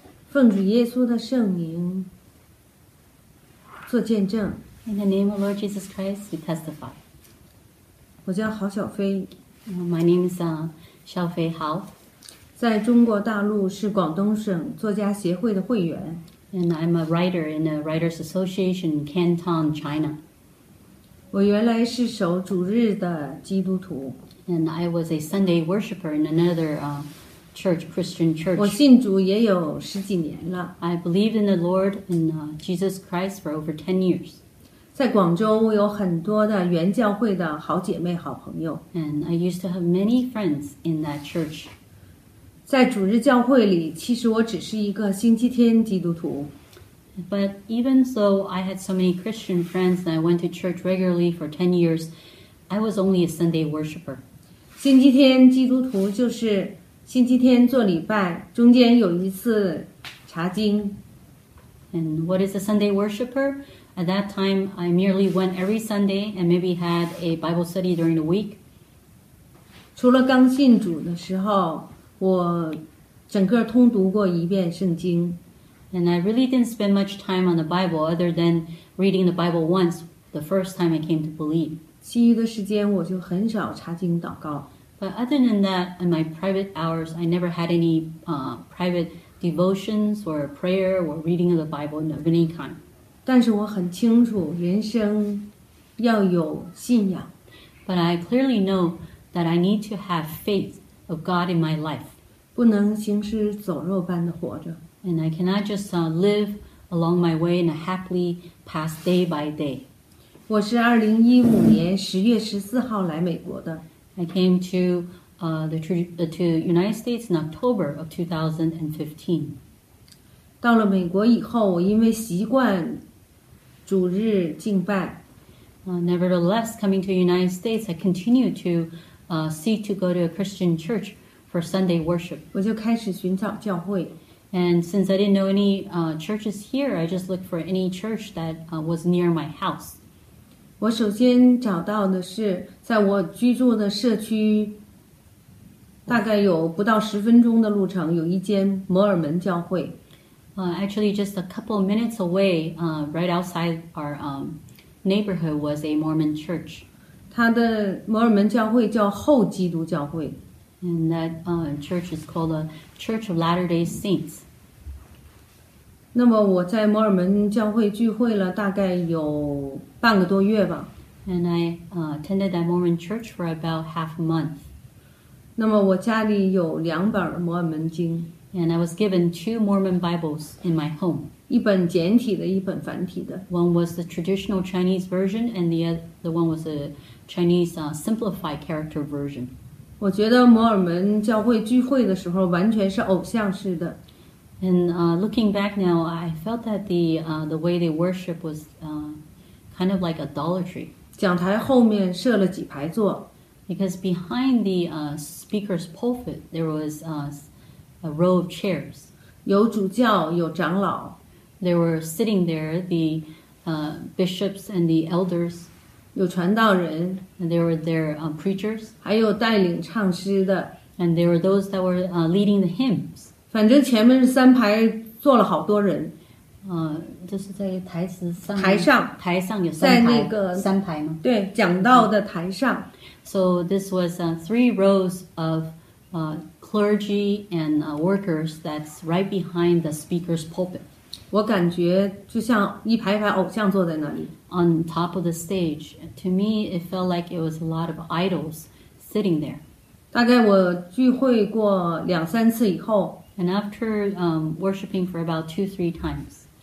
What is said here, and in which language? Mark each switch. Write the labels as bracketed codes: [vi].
[zh] 奉主耶稣的圣名做见证。 [en] In the name of Lord Jesus Christ, we testify. [zh] 我叫郝小飞。 [en] My name is Xiaofei Hao. [zh] 在中国大陆是广东省作家协会的会员。 [en] And I'm a writer in the Writers Association in Canton, China. [zh] 我原来是守主日的基督徒。 [en] And I was a Sunday worshiper in another church, Christian church. [zh] 我信主也有十几年了。 [en] I believed in the Lord and Jesus Christ for over 10 years. [zh] 在广州我有很多的原教会的好姐妹好朋友。 [en] And I used to have many friends in that church. [zh] 在主日教会里其实我只是一个星期天基督徒。 [en] But even so, I had so many Christian friends and I went to church regularly for 10 years. I was only a Sunday worshiper. [zh] 星期天基督徒就是星期天做礼拜，中间有一次查经。 [en] And what is a Sunday worshiper? At that time, I merely went every Sunday and maybe had a Bible study during the week. [zh] 除了刚信主的时候，我整个通读过一遍圣经。 [en] And I really didn't spend much time on the Bible other than reading the Bible once the first time I came to believe. [zh] 其余的时间我就很少查经祷告。 [en] But other than that, in my private hours, I never had any private devotions or prayer or reading of the Bible of any kind. [zh] 但是我很清楚人生要有信仰。 [en] But I clearly know that I need to have faith of God in my life. [zh] 不能行尸走肉般的活着。 [en] And I cannot just live along my way and happily pass day by day. [zh] 我是2015年10月14号来美国的。 [en] I came to to United States in October of 2015. [zh] 到了美国以后，我因为习惯主日敬拜。 [en] Nevertheless, coming to United States, I continue to seek to go to a Christian church for Sunday worship. [zh] 我就开始寻找教会。 [en] And since I didn't know any churches here, I just looked for any church that was near my house. [zh] 我首先找到的是在我居住的社区大概有不到十分钟的路程有一间摩尔门教会。 [en] Actually, just a couple of minutes away, right outside our neighborhood was a Mormon church. [zh] 它的摩尔门教会叫后基督教会。 [en] And that church is called the Church of Latter-day Saints. [zh] 那么我在摩尔门教会聚会了大概有半个多月吧。 [en] And I attended that Mormon church for about half a month. [zh] 那么我家里有两本摩尔门经。 [en] And I was given two Mormon Bibles in my home. [zh] 一本简体的，一本繁体的。 [en] One was the traditional Chinese version, and the one was a Chinese simplified character version. [zh] 我觉得摩尔门教会聚会的时候完全是偶像式的。 [en] And looking back now, I felt that the way they worship was kind of like idolatry. [zh] 讲台后面设了几排座。 [en] Because behind the speaker's pulpit, there was a row of chairs. [zh] 有主教，有长老。 [en] There were sitting there the bishops and the elders. [zh] 有传道人 [en] and there were their preachers, [zh] 还有带领唱诗的 [en] and there were those that were leading the hymns. [zh] 反正前面是三排坐了好多人，就是在台词上台上台上有三排在那个三排吗？对，讲道的台上。 [en] So this was three rows of clergy and workers that's right behind the speaker's pulpit. [zh] 我感觉就像一排排偶像坐在那里。 [en] On top of the stage, to me, it felt like it was a lot of idols sitting there. [zh] 大概我聚会过两三次以后 [en] ，and after worshiping for about two, three times,